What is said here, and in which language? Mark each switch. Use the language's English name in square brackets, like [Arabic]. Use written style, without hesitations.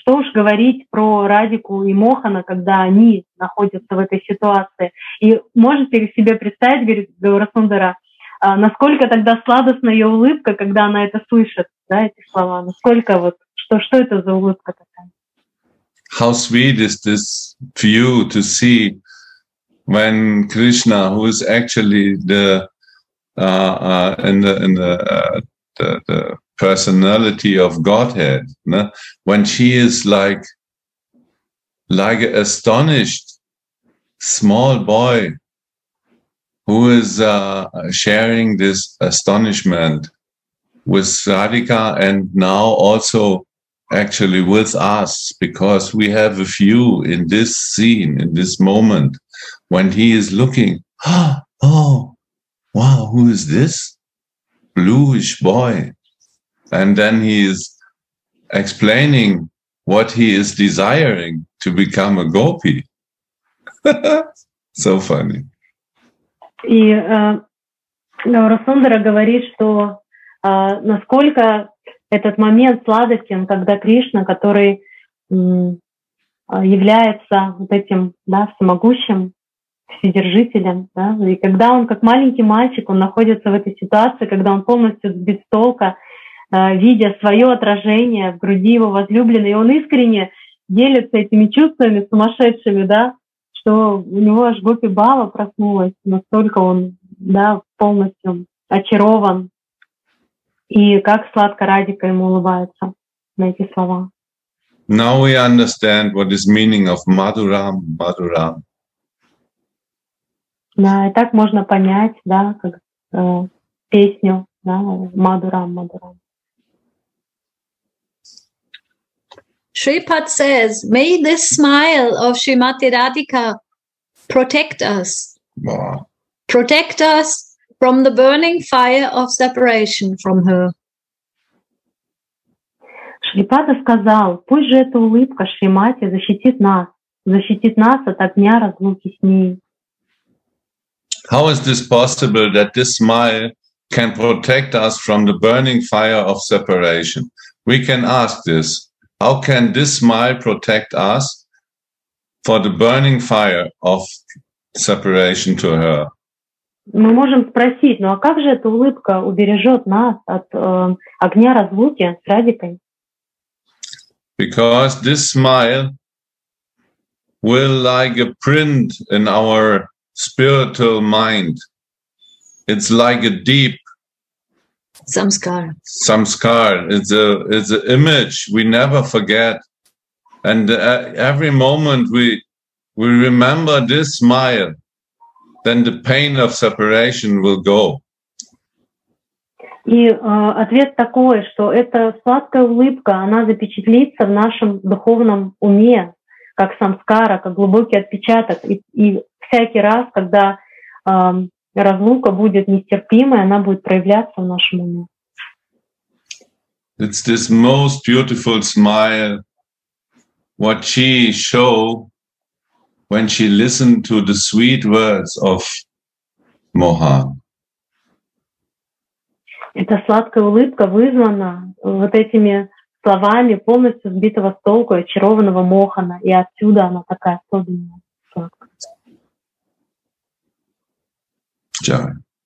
[Russian] Что уж говорить про Радику и Мохана, когда они находятся в этой ситуации. И можете себе представить, говорит Гаурасундара, насколько тогда сладостна ее улыбка, когда она это слышит, да, эти слова. Насколько вот, что это за улыбка такая? [English] How sweet is this view to see when Krishna, who is actually the in the personality of Godhead, no? When she is like an astonished small boy who is sharing this astonishment with Radhika and now also actually with us, because we have a view in this scene, in this moment, when he is looking, oh, wow, who is this bluish boy? And then he is explaining what he is desiring to become a gopi. So funny. [Russian] И Гаурасундара говорит, что насколько этот момент сладостен, когда Кришна, который является вот этим, да, всемогущим, вседержителем, да, и когда он как маленький мальчик, он находится в этой ситуации, когда он полностью без толка, видя свое отражение в груди его возлюбленной, и он искренне делится этими чувствами сумасшедшими, да, что у него аж Гопи Бава проснулась, настолько он, да, полностью очарован, и как сладко Радика ему улыбается на эти слова. [English] Now we understand what is meaning of Madhuram, Madhuram. [Russian] Да, и так можно понять, да, как песню, да, Madhuram, Madhuram. [English] Shripad says, may this smile of Srimati Radhika protect us. Wow. Protect us from the burning fire of separation from her. [Russian] Шрипада сказал, пусть же эта улыбка Шримати защитит нас от огня разлуки с ней. [English] How is this possible that this smile can protect us from the burning fire of separation? We can ask this. How can this smile protect us for the burning fire of separation to her? [Russian] Мы можем спросить, ну а как же эта улыбка убережет нас от огня разлуки с Радикой? [English] Because this smile will like a print in our spiritual mind. It's like a deep samskara. Samskara. It's an image we never forget. And every moment we remember this smile, then the pain of separation will go. [Russian] И ответ такой, что эта сладкая улыбка, она запечатлится в нашем духовном уме, как самскара, как глубокий отпечаток. И всякий раз, когда разлука будет нестерпимой, она будет проявляться в нашем уме. [English] It's this most beautiful smile, what she showed when she listened to the sweet words of Moha. [Russian] Эта сладкая улыбка вызвана вот этими словами полностью сбитого с толку очарованного Мохана, и отсюда она такая особенная сладкая.